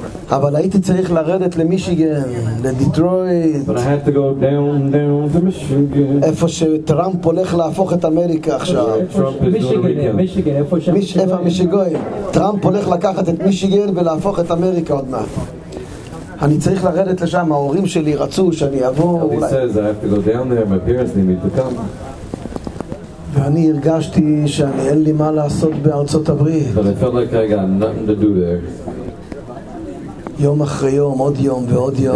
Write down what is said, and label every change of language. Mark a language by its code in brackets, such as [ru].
[he] אבל הייתי צריך לרדת למישיגן, לדיטרויט. [en] But I had to go down to Michigan. [he] איפה שטראמפ הולך להפוך את אמריקה עכשיו. מישיגן, איפה מישיגן? טראמפ הולך לקחת את מישיגן ולהפוך את אמריקה עוד מעט. אני צריך לרדת לשם, ההורים שלי רצו שאני אעבור. [en] He says I have to go down there, my parents need me to come. [he] ואני הרגשתי שאני אין לי מה לעשות בארצות הברית. [en] But I felt like I got nothing to do there. [he] יום אחרי יום, עוד יום ועוד יום.